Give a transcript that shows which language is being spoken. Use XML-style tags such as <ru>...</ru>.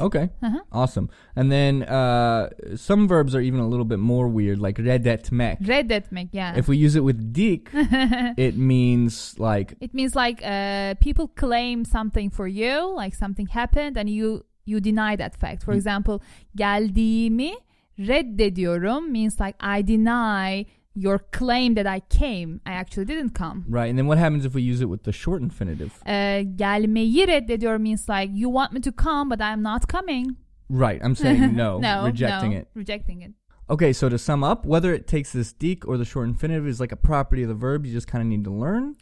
<en>Okay, uh-huh. Awesome. And then some verbs are even a little bit more weird, like reddetmek. Reddetmek, yeah. If we use it with dik, it means like... It means like people claim something for you, like something happened and you deny that fact. For example,</en> <tr>geldiğimi reddediyorum</tr> <en>means like I deny... Your claim that I came, I actually didn't come. Right, and then what happens if we use it with the short infinitive?</en> <tr>Gelmeyi reddediyor</tr> <en>means like, you want me to come, but I'm not coming. Right, I'm saying no, rejecting it. Okay, so to sum up, whether it takes this dik or the short infinitive is like a property of the verb, you just kind of need to learn.</en>